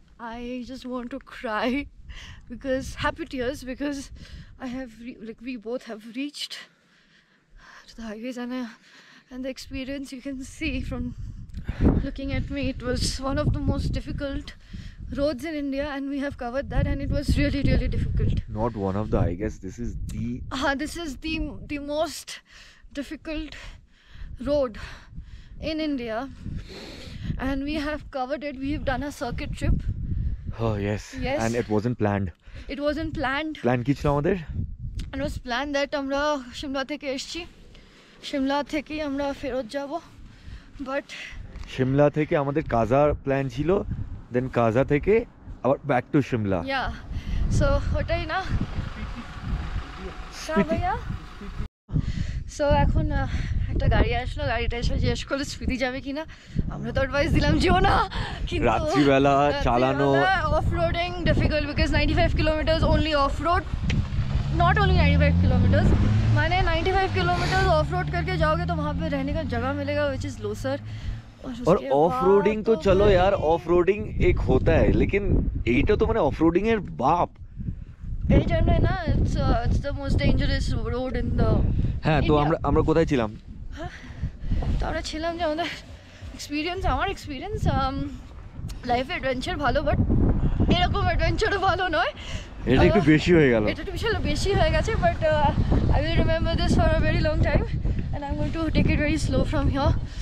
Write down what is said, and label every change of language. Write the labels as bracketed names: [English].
[English] I just want to cry because happy tears because I have like we both have reached to the highways and the experience you can see from looking at me, it was one of the most difficult roads in India and we have covered that and it was really really difficult. Not one of the, I guess this is the this is the most difficult road in India and we have covered it. We have done a circuit trip. Oh yes, yes. And it wasn't planned. [Bangla] Plan ki chilo amader, [English] it was planned that [Bangla] amra shimla theke amra ferot jabo, but Shimla থেকে আমাদের কাজার plan ছিল, দেন কাজা থেকে আবার back to Shimla. Yeah, so ওটাই না স্মৃতি। So এখন একটা গাড়ি আসলো, গাড়িটা এসে জিজ্ঞেস করলো স্মৃতি যাবে কিনা, আমরা তো অ্যাডভাইস দিলাম যেও না, কিন্তু রাত্রিবেলা চালানো [English] off roading difficult because 95 kilometre only off road, not only 95 kilometre, মানে 95 kilometre off road [Hindi] করকে যাওগে তো ওখানে রহনে কা জগা মিলেগা [English] Which is loser. [Hindi] और ऑफ रोडिंग तो चलो यार, ऑफ रोडिंग एक होता है, लेकिन एटा तो मैंने ऑफ रोडिंग है बाप, [English] एटा ना it's the most dangerous road in the. [Hindi] हां तो हमरा [Bangla] কোথায় ছিলাম? तो আমরা ছিলাম যে আমাদের এক্সপেরিয়েন্স, আমার এক্সপেরিয়েন্স লাইফ অ্যাডভেঞ্চার ভালো, বাট এরকম অ্যাডভেঞ্চার ভালো নয়, এটা একটু বেশি হয়ে গেল, এটা একটু বিশাল বেশি হয়ে গেছে, [English] But I will remember this for a very long time and I am going to take it very slow from here.